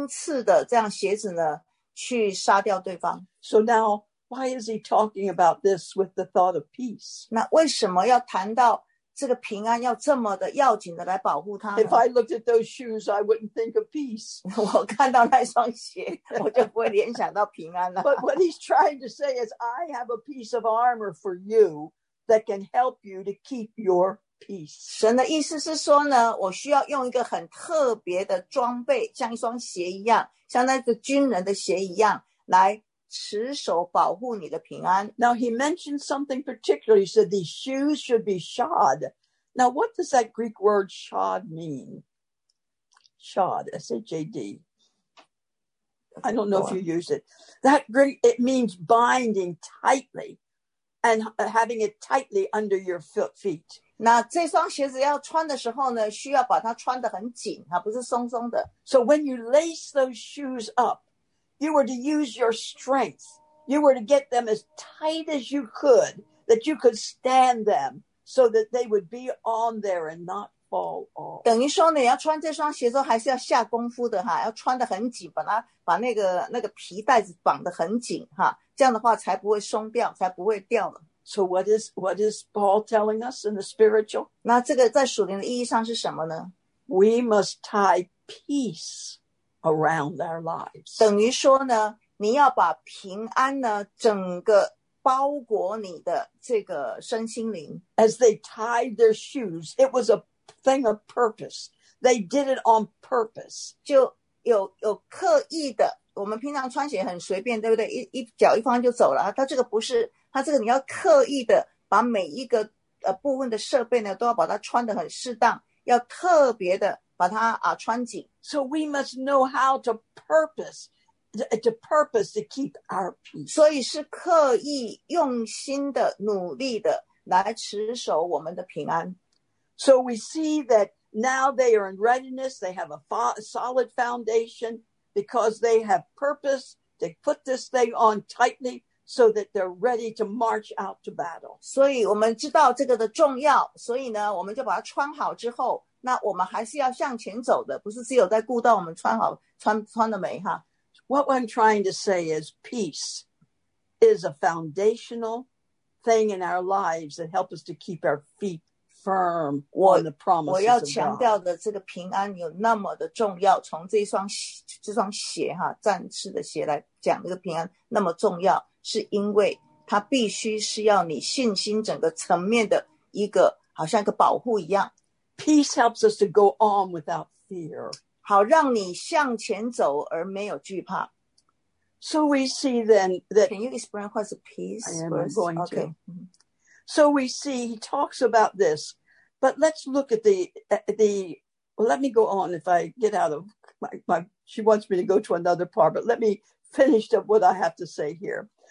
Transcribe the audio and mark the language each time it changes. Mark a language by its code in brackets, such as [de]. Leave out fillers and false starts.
[zh] 所以呢,还可以用这一双有钉刺的这样鞋子呢,去杀掉对方。 [en] So now, why is he talking about this with the thought of peace? [zh] 那为什么要谈到这个平安要这么的要紧的来保护他? [en] If I looked at those shoes, I wouldn't think of peace. [zh] 我看到那双鞋,我就不会联想到平安了。 [en] But what he's trying to say is, I have a piece of armor for you that can help you to keep your peace. [zh] 神的意思是说呢, 我需要用一个很特别的装备, 像一双鞋一样, 像那个军人的鞋一样, 来持守保护你的平安。 [en] Now he mentioned something particular. He said these shoes should be shod. Now what does that Greek word shod mean? Shod, S-H-A-D. I don't know if you use it. That Greek, it means binding tightly and having it tightly under your feet. [zh] 那这双鞋子要穿的时候呢, 需要把它穿得很紧, 啊, 不是松松的。 [en] So when you lace those shoes up, you were to use your strength. You were to get them as tight as you could, that you could stand them so that they would be on there and not fall off. [zh] 等于说呢, 要穿这双鞋子, 还是要下功夫的, 啊, 要穿得很紧, 把那个皮带子绑得很紧, 啊, 这样的话, 才不会松掉, 才不会掉了。 [en] So what is Paul telling us in the spiritual? [zh] 那这个在属灵的意义上是什么呢? [en] We must tie peace around our lives. [zh] 等于说呢, 你要把平安呢, 整个包裹你的这个身心灵。 [en] As they tied their shoes, it was a thing of purpose. They did it on purpose. [zh] 就有刻意的, 我们平常穿鞋很随便, 对不对? 一脚一方就走了, 他这个不是, 他这个你要刻意的把每一个, 部分的设备呢, 都要把它穿得很适当, 要特别的把它, 啊, 穿紧。 [en] So we must know how to purpose to keep our peace. [zh] 所以是刻意用心的努力的, 来持守我们的平安。 [en] So we see that now they are in readiness, they have a solid foundation, because they have purpose, they put this thing on tightly, so that they're ready to march out to battle. [zh] 所以我们知道这个的重要, 所以呢,我们就把它穿好之后, 那我们还是要向前走的, 不是只有在顾到我们穿好, 穿得美, 哈。 [en] What I'm trying to say is, peace is a foundational thing in our lives that helps us to keep our feet firm on the promises of God. [zh] 我要强调的这个平安有那么的重要, 从这双鞋, 哈, 战士的鞋来讲, 这个平安那么重要, 是因为它必须是要你信心整个层面的一个, 好像一个保护一样。 [en] Peace helps us to go on without fear. [zh] 好让你向前走而没有惧怕。 [en] So we see then that... Can you explain what's a peace? I'm going to. So we see, he talks about this, but let's look at the well, let me go on if I get out of my... She wants me to go to another part, but let me finish up what I have to say here.